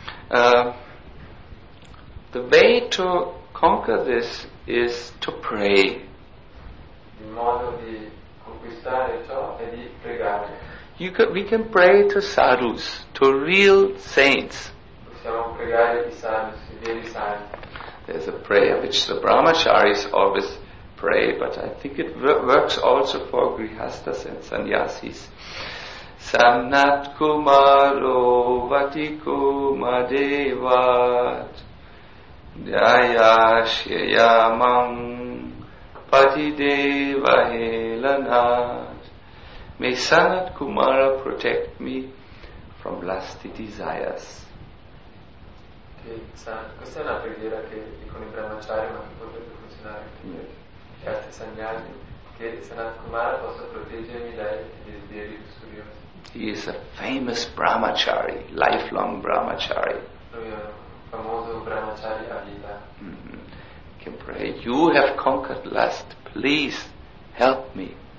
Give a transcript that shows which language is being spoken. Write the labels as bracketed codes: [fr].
[en] The way to conquer this is to pray. [it] Il modo di conquistare ciò è di pregare. [en] We can pray to sadhus, to real saints. [it] Possiamo pregare i sadhus, i veri santi. [en] There's a prayer which the brahmacharis always pray, but I think it works also for grihasthas and sannyasis. [sa] Samnat kumaro vatiko madevat Jaya Shaya Mang Patidevahelanat. [en] May Sanat Kumara protect me from lusty desires. [it] Questa è una preghiera che dico in Brahmacharya, ma che potrebbe funzionare anche gli altri sannyasi, che Sanat Kumara possa proteggermi dai desideri lussuriosi. [en] He is a famous Brahmachari, lifelong Brahmachari. Can pray, you have conquered lust, please help me.